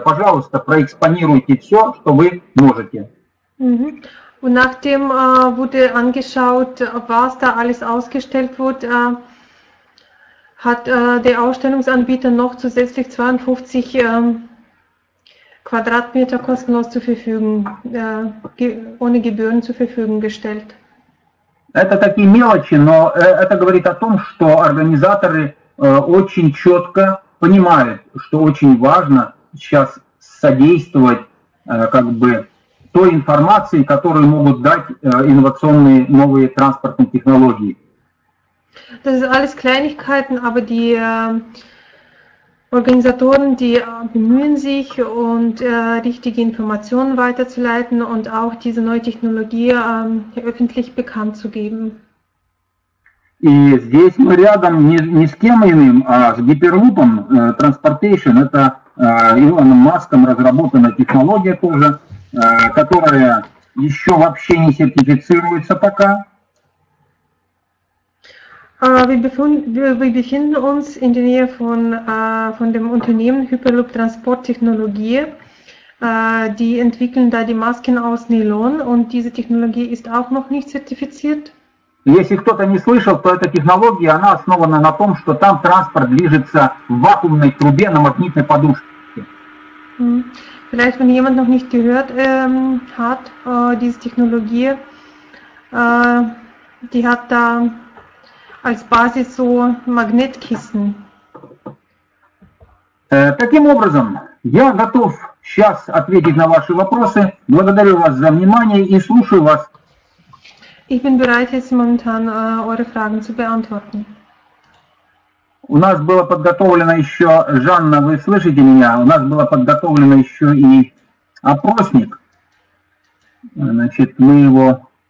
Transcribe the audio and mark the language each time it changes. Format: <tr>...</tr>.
<ru>Пожалуйста, проэкспонируйте все, что вы можете. Mm-hmm.</ru> <de>Und nachdem wurde angeschaut, was da alles ausgestellt wurde, hat der Ausstellungsanbieter noch zusätzlich 52 Quadratmeter kostenlos zur Verfügung, ohne Gebühren zur Verfügung gestellt.</de> <ru>Это такие мелочи, но это говорит о том, что организаторы очень четко понимают, что очень важно сейчас содействовать как бы той информации, которую могут дать инновационные новые транспортные технологии.</ru> <de>Das ist alles Kleinigkeiten, aber die Organisatoren, die bemühen sich, und richtige Informationen weiterzuleiten und auch diese neue Technologie öffentlich bekannt zu geben.</de> <ru>И здесь мы рядом не с кем иным, а с Hyperloop Transportation. Это Илоном Маском разработана технология тоже, которая еще вообще не сертифицируется пока.</ru> <de>Wir befinden uns in der Nähe von dem Unternehmen Hyperloop Transporttechnologie. Die entwickeln da die Masken aus Nylon und diese Technologie ist auch noch nicht zertifiziert.</de> <ru>Если кто-то не слышал, то эта технология, она основана на том, что там транспорт движется в вакуумной трубе на магнитной подушке.</ru> <de>Vielleicht, wenn jemand noch nicht gehört hat, diese Technologie, die hat da als Basis so Magnetkissen.</de> <ru>Таким образом, я готов сейчас ответить на ваши вопросы. Благодарю вас за внимание и слушаю вас.</ru> <de>Ich bin bereit, jetzt momentan eure Fragen zu beantworten.</de> <ru>У нас было подготовлено еще, Жанна, вы слышите меня? У нас было подготовлено еще и опросник. Значит, мы его...</ru>